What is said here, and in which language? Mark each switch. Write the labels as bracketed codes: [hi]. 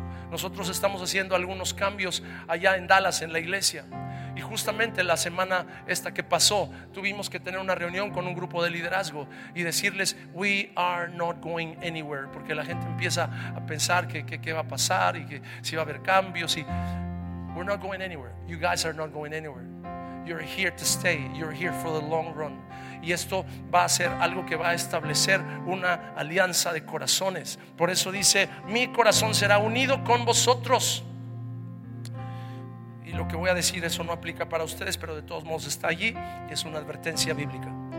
[es] Nosotros estamos haciendo algunos cambios allá en Dallas, en la iglesia, y justamente la semana esta que pasó tuvimos que tener una reunión con un grupo de liderazgo y decirles: [en] we are not going anywhere, [es] porque la gente empieza a pensar que qué va a pasar y que si va a haber cambios. [en] Y we're not going anywhere, you guys are not going anywhere, you're here to stay, you're here for the long run. [es] Y esto va a ser algo que va a establecer una alianza de corazones. Por eso dice: mi corazón será unido con vosotros. Y lo que voy a decir, eso no aplica para ustedes, pero de todos modos está allí y es una advertencia bíblica.